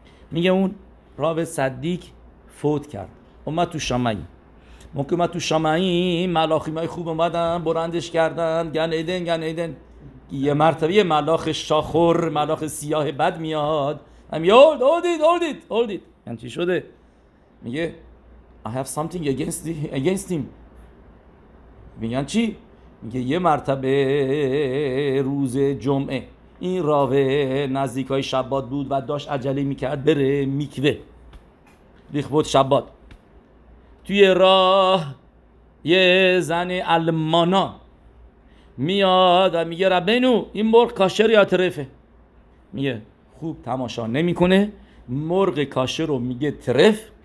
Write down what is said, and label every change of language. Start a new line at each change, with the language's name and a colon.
Persian: میگه اون راو صدیق فوت کرد، اومد تو شمعیم. موقع اومد تو شمعیم ملاخیم های خوب اومدن برندش کردن، گن ایدن گن ایدن. یه مرتبه یه ملاخ شاخور، ملاخ سیاه بد میاد، میگه اولدید. یعنی چی شده؟ میگه
English: I have something against him.
Persian: میگن چی؟ میگه یه مرتبه روز جمعه این راوه نزدیک های شبات بود و داشت عجله میکرد بره میکوه، ریخ بود شبات. توی راه یه زن آلمانا میاد و میگه ربینو این مرغ کاشر یا طرفه؟ میگه خوب تماشا نمی کنه، مرغ کاشر رو میگه طرف.